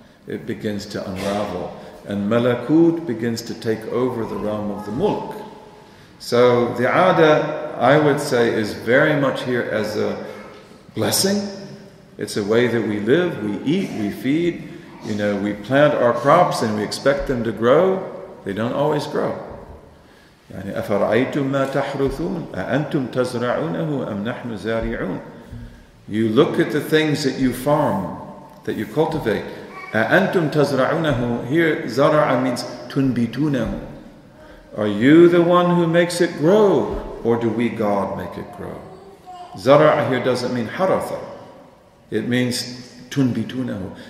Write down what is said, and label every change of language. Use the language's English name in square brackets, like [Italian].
[English] It begins to unravel. And malakut begins to take over the realm of the mulk. So the ada, I would say, is very much here as a blessing. It's a way that we live, we eat, we feed. You know, we plant our crops and we expect them to grow. They don't always grow. [Arabic] يعني أفرأيتم ما تحرثون أأنتم تزرعونه أم نحن زارعون. [English] You look at the things that you farm, that you cultivate. [Arabic] أأنتم تزرعونه. Here زرع means تنبتونه. [English] Are you the one who makes it grow, or do we, God, make it grow? زرع here doesn't mean حرث. It means تنبتونه.